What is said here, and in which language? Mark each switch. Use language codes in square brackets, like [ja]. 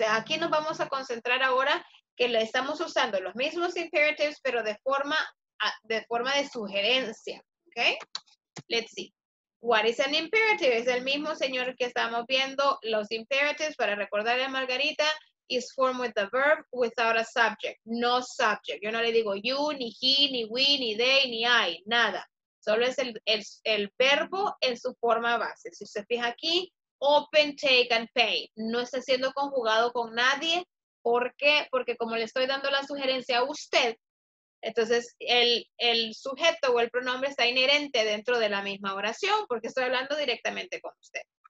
[es] Aquí nos vamos a concentrar ahora que le estamos usando los mismos imperatives, pero de forma... de forma de sugerencia, okay? [en] Let's see. What is an imperative? [es] Es el mismo señor que estamos viendo los imperatives para recordarle a Margarita. [en] Is formed with a verb without a subject. [es] No subject. Yo no le digo you, ni he, ni we, ni they, ni I. Nada. Solo es el verbo en su forma base. Si usted fija aquí, open, take, and pay. No está siendo conjugado con nadie. ¿Por qué? Porque como le estoy dando la sugerencia a usted, entonces, el sujeto o el pronombre está inherente dentro de la misma oración porque estoy hablando directamente con usted.